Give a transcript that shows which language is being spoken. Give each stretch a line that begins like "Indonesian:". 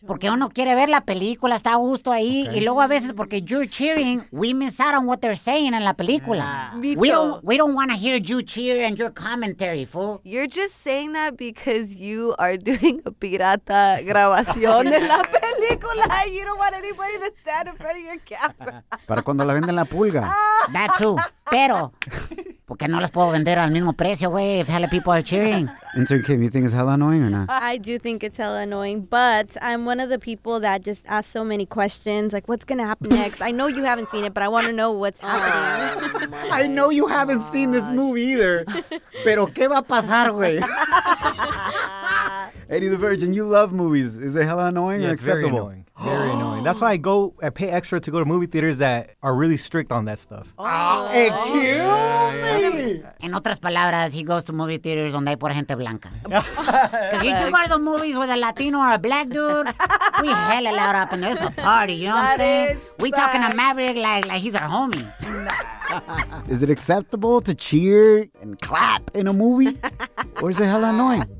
Spanish: Porque uno quiere ver la película, está a gusto ahí.
English: Okay.
Spanish: Y luego a veces porque
English: you're cheering, we miss out on what they're saying in
Spanish: la película.
English: We don't want to hear you cheer and your commentary, fool. You're just saying that because you are doing a
Spanish: pirata grabación de la película.
English: You don't want anybody to stand in front of your camera.
Spanish: Para cuando la venden la pulga.
English: That too.
Spanish: Pero, porque no las puedo vender al mismo precio, güey,
English: if hella people are cheering. Intern Kim, you think it's hella annoying or not? I do think it's hella annoying, but I'm one of the people that just ask so many questions, like, what's going to happen next? I know you haven't seen it, but I want to know what's happening. Oh, I know you haven't seen this movie either.
Spanish: Pero qué va a pasar, güey?
English: Eddie the Virgin, you love movies. Is it hella annoying or acceptable? Very annoying. Very annoying. That's why I pay extra to go to movie theaters that are really strict on that stuff. Oh, kill me!
Spanish: En otras palabras,
English: he goes to movie theaters
Spanish: donde hay por gente blanca.
English: Because you go to the movies with a Latino or a black dude, we hella loud up and there's a party, you know that what I'm saying? We talking to Maverick like he's our homie. Is it acceptable to cheer and clap in a movie? Or is it hella annoying?